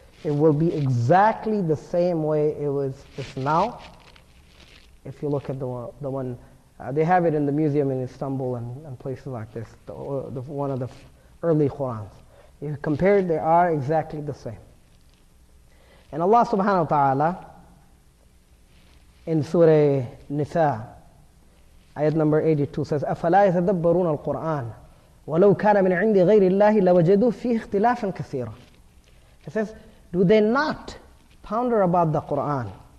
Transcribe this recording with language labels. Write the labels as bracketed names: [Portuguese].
[English] It will be exactly the same way it was just now. If you look at the one, they have it in the museum in Istanbul and places like this, the one of the early Qurans. If you compare it, they are exactly the same. And Allah subhanahu wa ta'ala, in Surah Nisa, ayat number 82, says, [Arabic] أَفَلَا يَتَدَبَّرُونَ الْقُرْآنَ وَلَوْ كَانَ مِنْ عِنْدِ غَيْرِ اللَّهِ لَوَجَدُوا فِيهِ اخْتِلَافًا كَثِيرًا. [English] He says, do they not ponder about the Qur'an?